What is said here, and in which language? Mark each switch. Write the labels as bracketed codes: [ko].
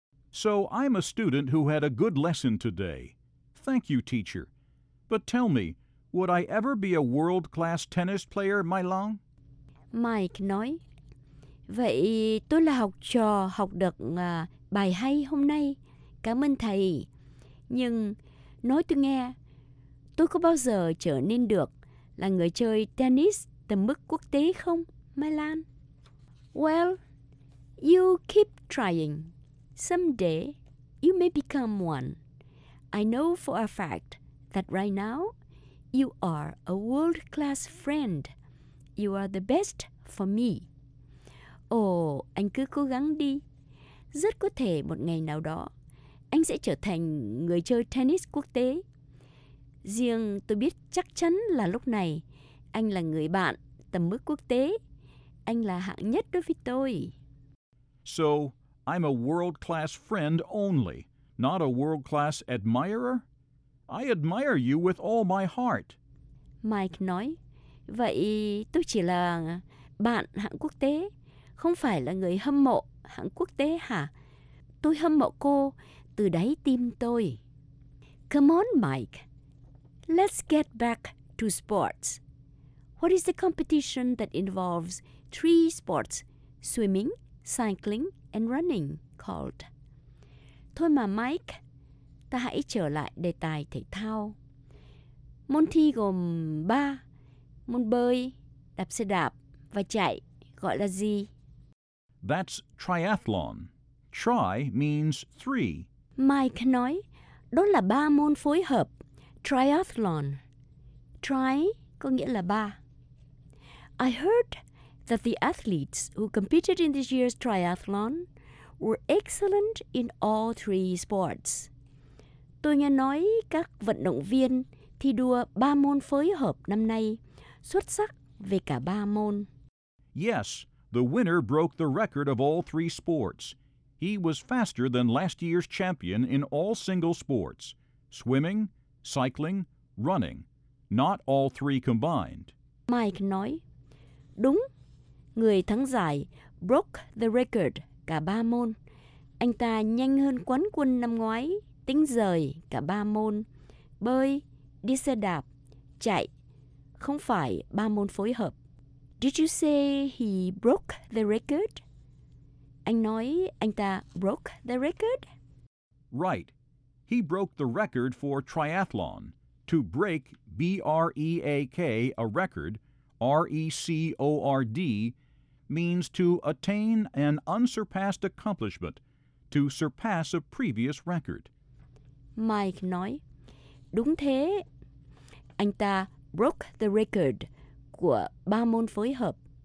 [en] So I'm a student who had a good lesson today. Thank you, teacher. But tell me, would I ever be a world-class tennis player, Mai Long? [vi] Mike nói, vậy tôi là học trò học được bài hay hôm nay. Cảm ơn thầy. Nhưng nói tôi nghe, tôi có bao giờ trở nên được là người chơi tennis tầm mức quốc tế không, Mai Lan? [en] Well, you keep trying. Someday, you may become one. I know for a fact that right now, you are a world-class friend. You are the best for me. [vi] Oh, anh cứ cố gắng đi. Rất có thể một ngày nào đó, anh sẽ trở thành người chơi tennis quốc tế. Riêng tôi biết chắc chắn là lúc này, anh là người bạn tầm mức quốc tế. Anh là hạng nhất đối với tôi. [en] So, I'm a world-class friend only, not a world-class admirer? I admire you with all my heart. [vi] Mike nói, vậy tôi chỉ là bạn hạng quốc tế, không phải là người hâm mộ hạng quốc tế hả? Tôi hâm mộ cô từ đáy tim tôi. [en] Come on, Mike. Let's get back to sports. What is the competition that involves three sports, swimming, cycling, and running, called? [vi] Thôi mà Mike, ta hãy trở lại đề tài thể thao. Môn thi gồm ba, môn bơi, đạp xe đạp và chạy, gọi là gì? [en] That's triathlon. Tri means three. [vi] Mike nói, đó là ba môn phối hợp, triathlon. Tri có nghĩa là ba. [en] I heard that the athletes who competed in this year's triathlon were excellent in all three sports. [vi] Tôi nghe nói các vận động viên thi đua ba môn phối hợp năm nay xuất sắc về cả ba môn. [en] Yes, the winner broke the record of all three sports. He was faster than last year's champion in all single sports, swimming, cycling, running, not all three combined. [vi] Mike nói, đúng, người thắng giải [en] broke the record [vi] cả ba môn. Anh ta nhanh hơn quán quân năm ngoái, tính rời cả ba môn. Bơi, đi xe đạp, chạy, không phải ba môn phối hợp. [en] Did you say he broke the record? [vi] Anh nói anh ta [en] broke the record? Right. He broke the record for triathlon. To break, B-R-E-A-K, a record, R-E-C-O-R-D, means to attain an unsurpassed accomplishment, to surpass a previous record. [vi] Mike nói, đúng thế. Anh ta [en] broke the record [vi] của ba môn phối hợp.